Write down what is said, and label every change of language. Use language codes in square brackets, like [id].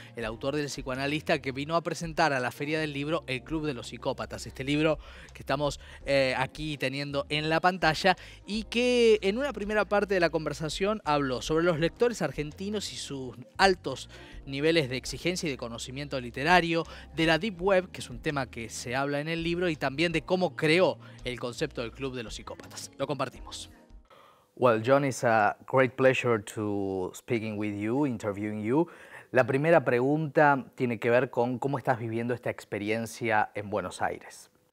[es] El autor del psicoanalista que vino a presentar a la Feria del Libro El Club de los Psicópatas, este libro que estamos aquí teniendo en la pantalla y que en una primera parte de la conversación habló sobre los lectores argentinos y sus altos niveles de exigencia y de conocimiento literario, de la Deep Web, que es un tema que se habla en el libro, y también de cómo creó el concepto del Club de los Psicópatas. Lo compartimos. [en] Well, John, it's a great pleasure to speaking with you, interviewing you. [es] La primera pregunta tiene que ver con cómo estás viviendo esta experiencia en Buenos Aires.